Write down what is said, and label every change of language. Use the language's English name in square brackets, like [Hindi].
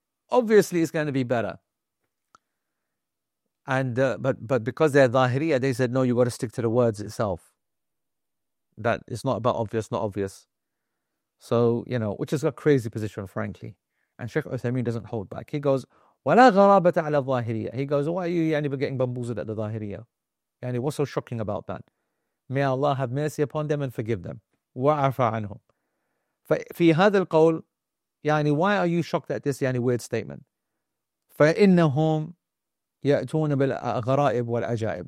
[English] Obviously, it's going to be better. And but because they're Zahiriya, they said, no, you've got to stick to the words itself. That it's not about obvious, not obvious. So, you know, which is a crazy position, frankly. And Sheikh Uthaymeen doesn't hold back. He goes, [Arabic] وَلَا غَرَابَةَ عَلَى الظَّاهِرِيَّةِ. [English] He goes, why are you getting bamboozled at the Zahiriya? Yani, what's so shocking about that? May Allah have mercy upon them and forgive them. [Arabic] وَعَفَ عَنْهُمْ. فِي هَذَا الْقَوْلِ, [English] yani, why are you shocked at this yani weird statement? [Arabic] فَإِنَّهُمْ يَأْتُونَ بِالْغَرَائِبِ وَالْأَجَائِبِ.